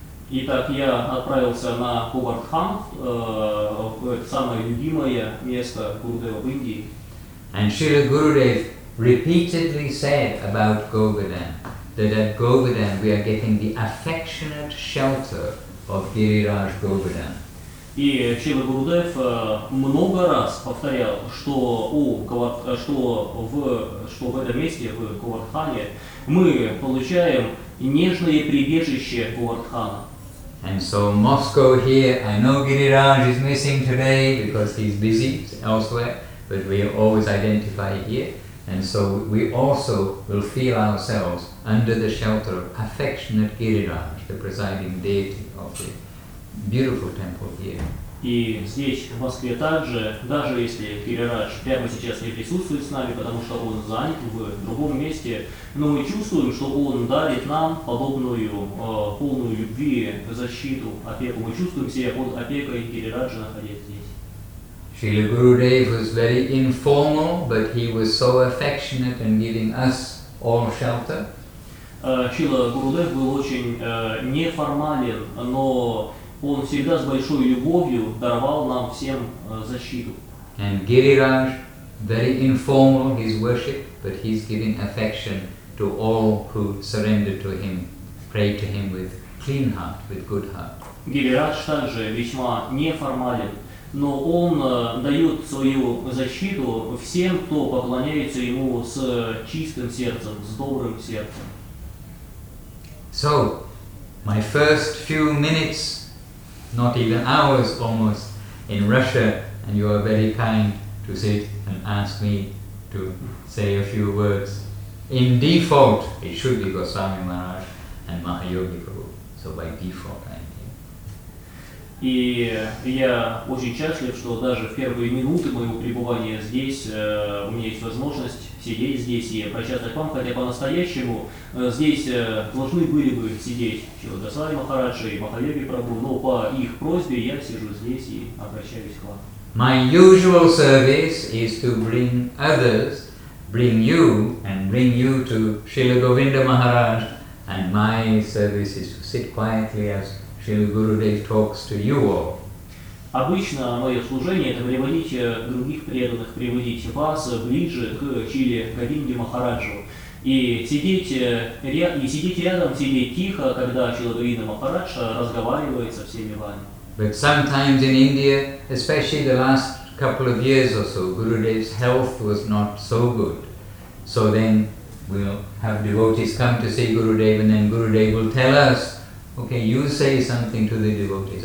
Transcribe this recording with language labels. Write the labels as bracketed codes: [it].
[ru] И так я отправился на Govardhan, самое любимое место Гурудева в Индии. [en] And Srila Gurudev repeatedly said about Govardhan that at Govardhan we are getting the affectionate shelter of Giriraj Govardhan. [ru] И Шрила Гурудев много раз повторял, что в этом месте, в Говардхане, мы получаем нежное прибежище Говардхана. [en] And so Moscow here, I know Giriraj is missing today because he's busy elsewhere, but we are always identified here. And so we also will feel ourselves under the shelter of affectionate Giriraj, the presiding deity of the beautiful temple here. [ru] И здесь, в Москве также, даже если Кирирадж прямо сейчас не присутствует с нами, потому что он занят в другом месте, но мы чувствуем, что он дарит нам подобную полную любви, защиту, опеку. Мы чувствуем себя под опекой Кирираджа, находясь здесь. [en] Шрила Гурудев was very informal, but he was so affectionate in giving us all shelter. [ru] Шрила Гурудев был очень неформален, но он всегда с большой любовью даровал нам всем защиту. [en] And Giriraj, very informal his worship, but he's giving affection to all who surrender to him, pray to him with clean heart, with good heart. [ru] Giriraj также весьма неформален, но он дает свою защиту всем, кто поклоняется ему с чистым сердцем, с добрым сердцем. [en] So, my first few minutes, not even hours almost, in Russia, and you are very kind to sit and ask me to say a few words. In default, it should be Goswami Maharaj and Mahayogi Prabhu. So by default, I'm here. [ru] И я очень счастлив, что даже в первые минуты моего пребывания здесь у меня есть возможность сидеть здесь и обращаться к вам, хотя по-настоящему здесь должны были бы сидеть Шрила Госвами Махарадж и Махайоги Прабху, но по их просьбе я сижу здесь и обращаюсь к вам. [en] My usual service is to bring others, bring you, and bring you to Srila Govinda Maharaj, and my service is to sit quietly as Srila Gurudev talks to you all. [ru] Обычно мое служение это приводить других преданных, приводить вас ближе к Шриле Говинде Махараджу. И сидеть рядом тихо, когда Шрила Говинда Махарадж разговаривает со всеми вами. [en] But sometimes in India, especially the last couple of years or so, Gurudev's health was not so good. So then we'll have devotees come to see Gurudev and then Gurudev will tell us, okay, you say something to the devotees.